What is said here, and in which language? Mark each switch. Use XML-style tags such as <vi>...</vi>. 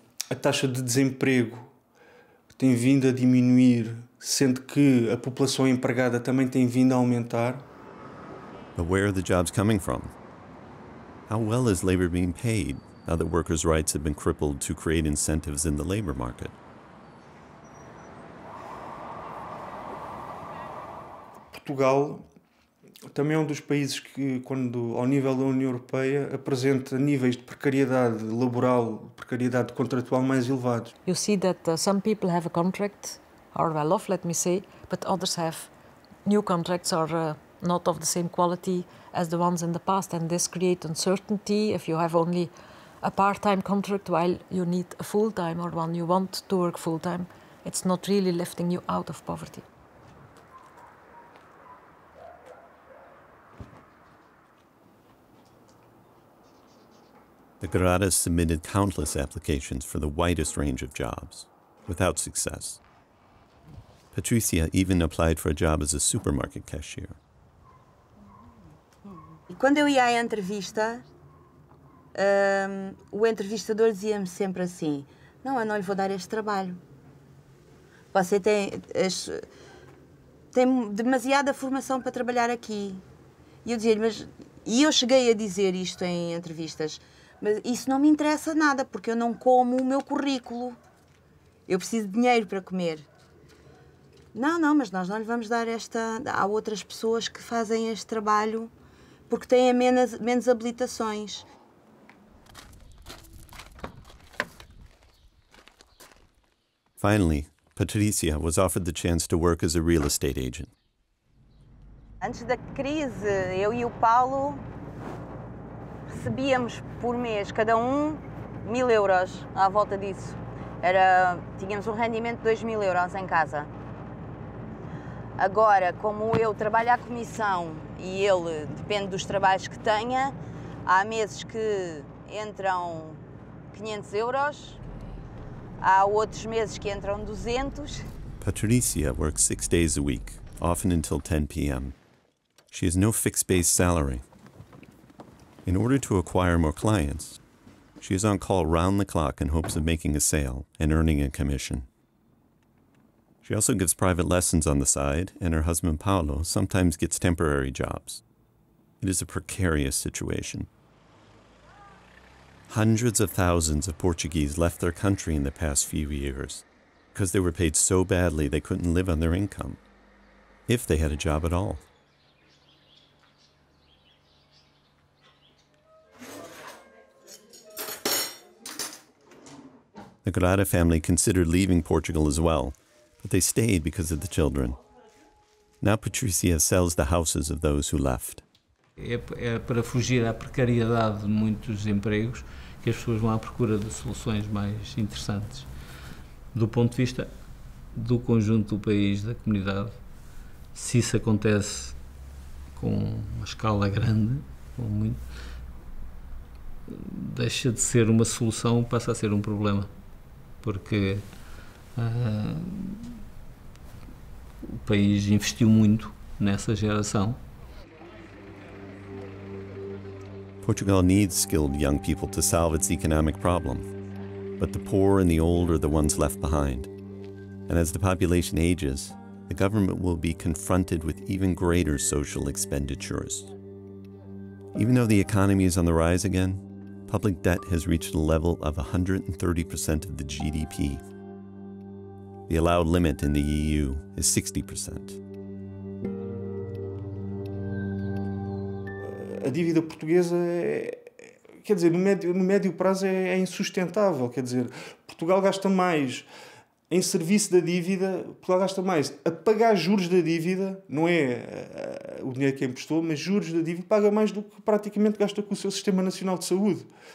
<pt>A taxa de desemprego tem vindo a diminuir, sendo que a população empregada também tem vindo a aumentar.</pt> <en>But where are the jobs coming from? How well is labor being paid now that workers' rights have been crippled to create incentives in the labor market?</en> <pt>Portugal também é dos países que, quando ao nível da União Europeia, apresenta níveis de precariedade laboral, precariedade contratual mais elevados.</pt> <en>You see that some people have a contract, are well off, let me say, but others have new contracts or not of the same quality as the ones in the past, and this creates uncertainty if you have only a part-time contract while you need a full-time or one you want to work full-time. It's not really lifting you out of poverty. The Gradas submitted countless applications for the widest range of jobs, without success. Patricia even applied for a job as a supermarket cashier.</en> <pt>E quando eu ia à entrevista, o entrevistador dizia-me sempre assim: não, eu não lhe vou dar este trabalho. Você tem demasiada formação para trabalhar aqui. E eu dizia-lhe, mas... E eu cheguei a dizer isto em entrevistas, mas isso não me interessa nada, porque eu não como o meu currículo. Eu preciso de dinheiro para comer. Não, não, mas nós não lhe vamos dar esta... Há outras pessoas que fazem este trabalho porque têm menos habilitações.</pt> <en>Finally, Patricia was offered the chance to work as a real estate agent.</en> <pt>Antes da crise, eu e o Paulo recebíamos por mês, cada um, 1.000 euros à volta disso. Tínhamos um rendimento de 2.000 euros em casa. Agora, como eu trabalho à comissão e ele depende dos trabalhos que tenha, há meses que entram 500 euros, há outros meses que entram 200.</pt> <en>Patricia works 6 days a week, often until 10 p.m. She has no fixed base salary. In order to acquire more clients, she is on call round the clock in hopes of making a sale and earning a commission. She also gives private lessons on the side, and her husband Paulo sometimes gets temporary jobs. It is a precarious situation. Hundreds of thousands of Portuguese left their country in the past few years because they were paid so badly they couldn't live on their income, if they had a job at all. The Grada family considered leaving Portugal as well, but they stayed because of the children. Now Patricia sells the houses of those who left.</en> <pt>É para fugir à precariedade de muitos empregos que as pessoas vão à procura de soluções mais interessantes. Do ponto de vista do conjunto do país, da comunidade, se isso acontece com uma escala grande, ou muito, deixa de ser uma solução, passa a ser um problema. Porque o país investiu muito nessa geração.</pt> <en>Portugal needs skilled young people to solve its economic problem. But the poor and the old are the ones left behind. And as the population ages, the government will be confronted with even greater social expenditures. Even though the economy is on the rise again, public debt has reached a level of 130% of the GDP. The allowed limit in the EU is 60%.</en> <pt>A dívida portuguesa quer dizer, no médio prazo é insustentável. Quer dizer, Portugal gasta mais em serviço da dívida, Portugal gasta mais. A pagar juros da dívida, não é o dinheiro que emprestou, mas juros da dívida, paga mais do que praticamente gasta com o seu Sistema Nacional de Saúde.</pt>